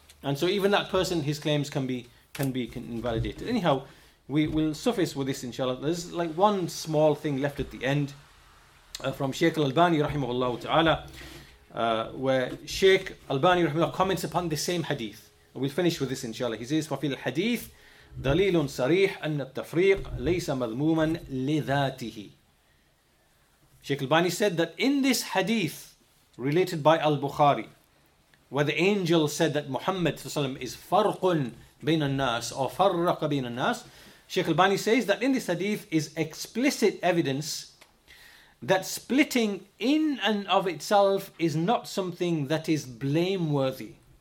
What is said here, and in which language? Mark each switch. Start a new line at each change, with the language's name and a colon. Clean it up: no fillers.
English: And so even that person, his claims can be invalidated. Anyhow, we will suffice with this, inshallah. There's like one small thing left at the end from Sheikh Al-Albani, rahimahullah ta'ala, where Sheikh Albani rahimahullah comments upon the same hadith. We'll finish with this, inshallah.
Arabic: He says, فَفِي الْحَدِيثِ دَلِيلٌ صَرِيحٌ أَنَّ التَّفْرِيقَ لَيْسَ مَذْمُومًا لِذَاتِهِ.
English: Sheikh Albani said that in this hadith related by Al-Bukhari, where the angel said that Muhammad is فَرْقٌ بَيْنَ النَّاسِ or فَرَّقَ بَيْنَ النَّاسِ, Sheikh Albani says that in this hadith is explicit evidence that splitting in and of itself is not something that is blameworthy.